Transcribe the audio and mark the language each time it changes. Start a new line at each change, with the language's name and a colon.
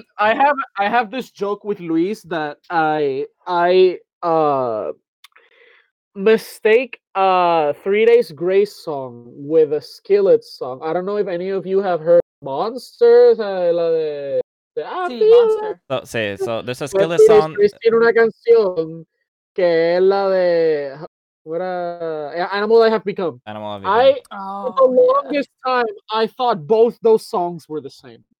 English: I have this joke with Luis that I mistake 3 Days Grace song with a Skillet song. I don't know if any of you have heard Monsters. So there's a Skillet song.
Spanish: Tiene una canción que es la de Animal I Have Become.
English: Animal I've Become. For the longest time, I thought both those songs were the same.